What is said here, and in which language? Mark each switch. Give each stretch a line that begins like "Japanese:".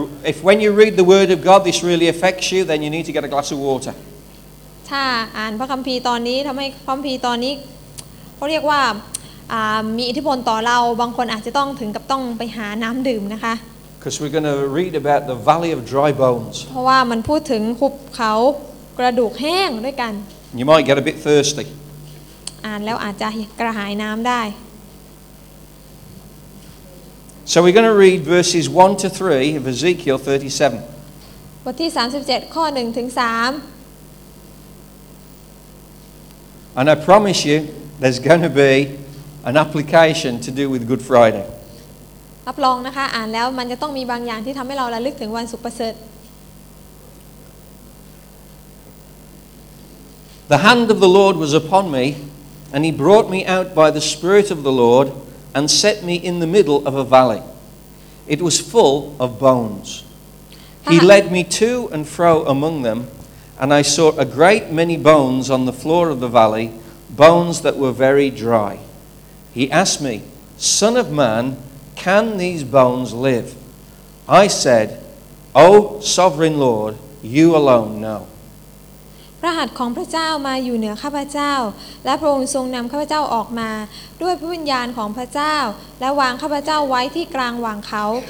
English: If when you read the word of God this really affects you then you need to get a glass of water
Thai: ถ้าอ่านพระคัมภีร์ตอนนี้ทําให้พระคัมภีร์ตอนนี้เค้าเรียกว่ามีอิทธิพลต่อเราบางคนอาจจะต้องถึงกับต้องไปหาน้ําดื่มนะคะ
English: Because we're going to read about the valley of dry bones
Thai: เพราะว่ามันพูดถึงหุบเขากระดูกแห้งด้วยกัน
English: You might get a bit thirsty
Thai: อ่านแล้วอาจจะกระหายน้ำได้
English: So we're going to read verses 1 to 3 of Ezekiel 37
Thai: บทที่37ข้อ1ถึง3
English: And I promise you there's going to be an application to do with Good Friday
Thai: รับรองนะคะอ่านแล้วมันจะต้องมีบางอย่างที่ทำให้เราระลึกถึงวันศุกร์ประเสริฐ
English: The hand of the Lord was upon me, and he brought me out by the Spirit of the Lord, and set me in the middle of a valley. It was full of bones. He led me to and fro among them, and I saw a great many bones on the floor of the valley, bones that were very dry. He asked me, Son of man, can these bones live? I said, O Sovereign Lord, you alone know.
Thai: พระหัตถ์ของพระเจ้ามาอยู่เหนือข้าพเจ้าและพระองค์ทรงนำข้าพเจ้าออกมาด้วยพระวิญญาณของพระเจ้าและวางข้าพเจ้าไว้ที่กลางหว่างเขา